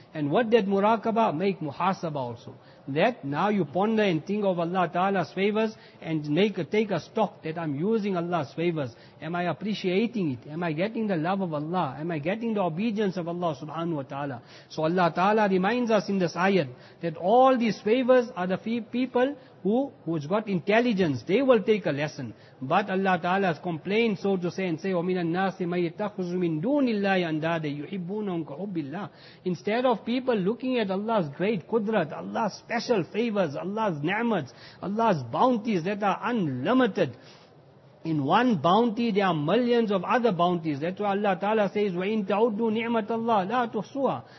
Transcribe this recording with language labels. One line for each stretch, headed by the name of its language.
English: And what that muraqabah? Make muhasabah also. That now you ponder and think of Allah ta'ala's favors and take a stock that I'm using Allah's favors. Am I appreciating it? Am I getting the love of Allah? Am I getting the obedience of Allah subhanahu wa ta'ala? So Allah ta'ala reminds us in this ayat that all these favors are the people who's got intelligence, they will take a lesson. But Allah Ta'ala has complained, so to say, and say,
Arabic: وَمِنَ النَّاسِ مَا يَتَّخُزُ مِن دُونِ اللَّهِ أَنْدَادَ يُحِبُّونَهُمْ كَحُبِّ اللَّهِ.
English: Instead of people looking at Allah's great kudrat, Allah's special favors, Allah's ni'mats, Allah's bounties that are unlimited. In one bounty, there are millions of other bounties. That's why Allah Ta'ala says,
Arabic: وَإِن تَعُدُّ نِعْمَةَ اللَّهِ لَا تُحْصُوهَا.